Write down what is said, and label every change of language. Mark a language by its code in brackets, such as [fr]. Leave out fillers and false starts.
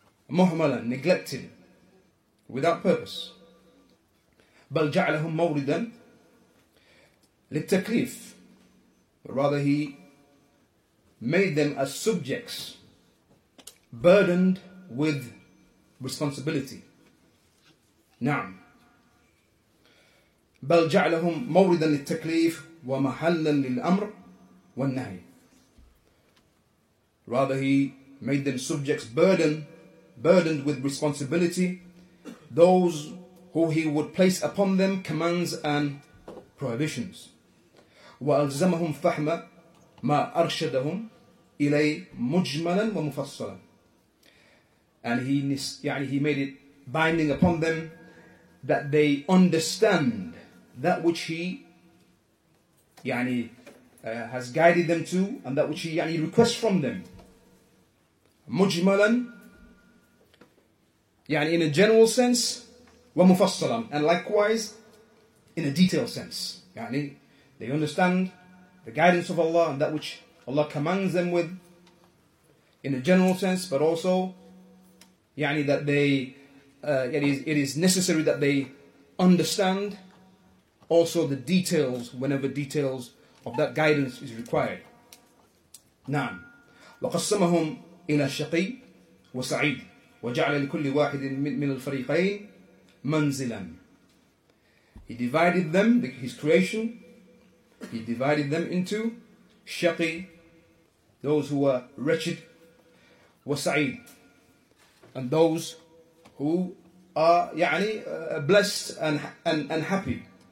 [ar] Muhmalan, [en] neglected, without purpose. [ar] Bal ja'alahum mawridan, للتكليف. [en] But rather he made them as subjects, burdened with responsibility. [ar] نعم. بل جعلهم موردا للتكليف ومحلا للأمر والنهي. [en] Rather he made them subjects burdened with responsibility, those who he would place upon them commands and prohibitions. [ar] وَأَلْزَمَهُمْ فَحْمَ مَا أَرْشَدَهُمْ إِلَيْ مُجْمَلًا وَمُفَصَّلًا. [en] And he made it binding upon them that they understand that which he has guided them to and that which he requests from them. مُجْمَلًا in a general sense, وَمُفَصَّلًا, and likewise in a detailed sense. They understand the guidance of Allah and that which Allah commands them with in a general sense, but also that they it is necessary that they understand also the details whenever details of that guidance is required. [ar] نعم. وقسمهم إلى شقي وسعيد وجعل لكل واحد من الفريقين منزلا. [en] He divided them, his creation. He divided them into shaqi, those who were wretched, wasa'id, and those who are blessed and happy.